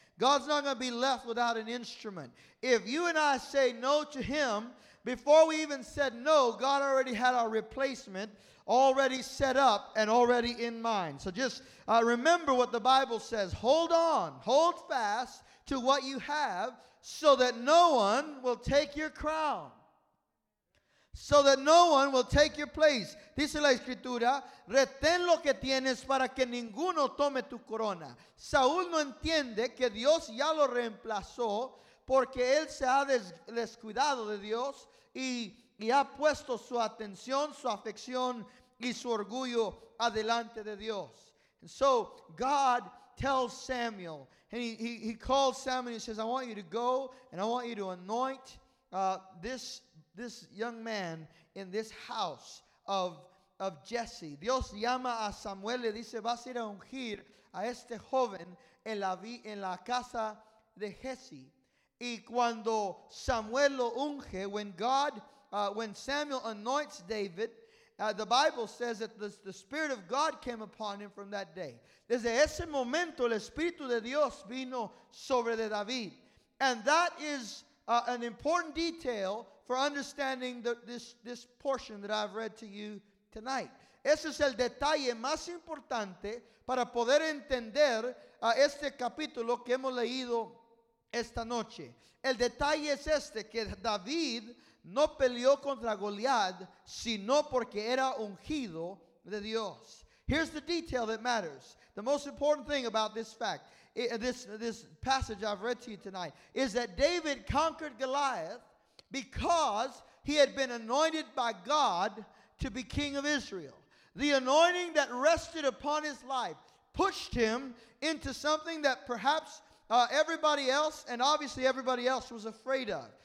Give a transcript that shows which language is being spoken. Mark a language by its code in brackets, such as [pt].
[en] God's not going to be left without an instrument. If you and I say no to him, before we even said no, God already had our replacement already set up and already in mind. So just remember what the Bible says. Hold on. Hold fast to what you have so that no one will take your crown. So that no one will take your place. [es] Dice la escritura, retén lo que tienes para que ninguno tome tu corona. Saúl no entiende que Dios ya lo reemplazó porque él se ha descuidado de Dios y ha puesto su atención, su afección y su orgullo adelante de Dios. [en] And so God tells Samuel, and he calls Samuel and he says, I want you to go and I want you to anoint this young man in this house of Jesse. [es] Dios llama a Samuel y dice, vas a ir a ungir a este joven en la casa de Jesse. Y cuando Samuel lo unge, [en] when Samuel anoints David, the Bible says that the Spirit of God came upon him from that day. [es] Desde ese momento, el Espíritu de Dios vino sobre de David. [en] And that is an important detail for understanding this portion that I've read to you tonight. [es] Ese es el detalle más importante para poder entender este capítulo que hemos leído esta noche. El detalle es este, que David no peleó contra Goliat, sino porque era ungido de Dios. [en] Here's the detail that matters. The most important thing about this fact, this passage I've read to you tonight, is that David conquered Goliath because he had been anointed by God to be king of Israel. The anointing that rested upon his life pushed him into something that perhaps everybody else, and obviously everybody else, was afraid of.